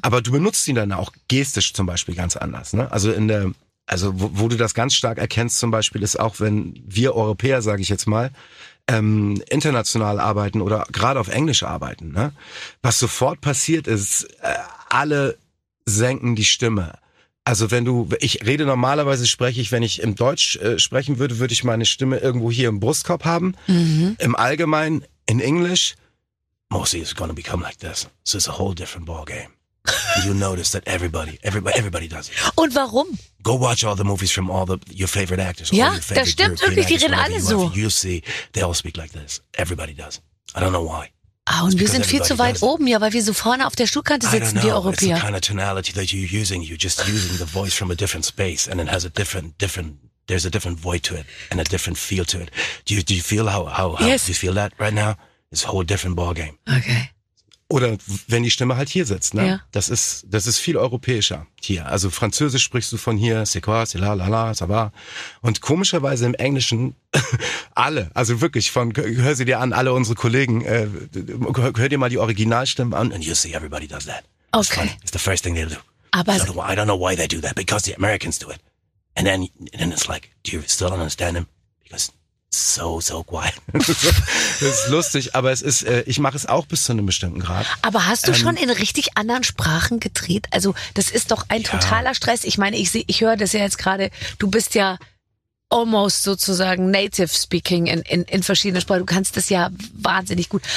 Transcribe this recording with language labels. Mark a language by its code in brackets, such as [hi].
[de] Aber du benutzt ihn dann auch gestisch zum Beispiel ganz anders. Ne? Also in der, also wo du das ganz stark erkennst zum Beispiel, ist auch, wenn wir Europäer, sage ich jetzt mal, international arbeiten oder gerade auf Englisch arbeiten. Ne? Was sofort passiert ist, alle senken die Stimme. Also wenn du, ich rede normalerweise, wenn ich im Deutsch sprechen würde, würde ich meine Stimme irgendwo hier im Brustkorb haben. Mhm. Im Allgemeinen, [en] in English, mostly it's gonna become like this. So it's a whole different ballgame. You notice that everybody does it. [de] Und warum? [en] Go watch all the movies from all the your favorite actors. [de] Ja, [en] your favorite, [de] das stimmt wirklich, die reden alle so. [en] You see, they all speak like this. Everybody does. I don't know why. [de] Ah, und wir sind viel zu weit oben, ja, weil wir so vorne auf der Stuhlkante sitzen, wir Europäer. [en] It's the kind of tonality that you're using. You're just using the voice from a different space and it has a different, there's a different void to it and a different feel to it. Do you feel how yes. Do you feel that right now? It's a whole different ballgame. Okay. [de] Oder wenn die Stimme halt hier sitzt, ne? Ja. Das ist viel europäischer hier. Also Französisch sprichst du von hier, [fr] c'est quoi, c'est la la la, ça va. [de] Und komischerweise im Englischen, alle, also wirklich von, hör sie dir an, alle unsere Kollegen, hör dir mal die Originalstimmen an. [en] And you see, everybody does that. Okay. It's the first thing they do. [de] Aber [en] I don't know why they do that, because the Americans do it. And then it's like, do you still understand them? Because so quiet. [de] Das ist lustig, aber es ist, ich mache es auch bis zu einem bestimmten Grad. Aber hast du schon in richtig anderen Sprachen gedreht? Also das ist doch ein totaler Stress. Ich meine, ich höre das ja jetzt gerade, du bist ja almost sozusagen native speaking in verschiedenen Sprachen. Du kannst das ja wahnsinnig gut.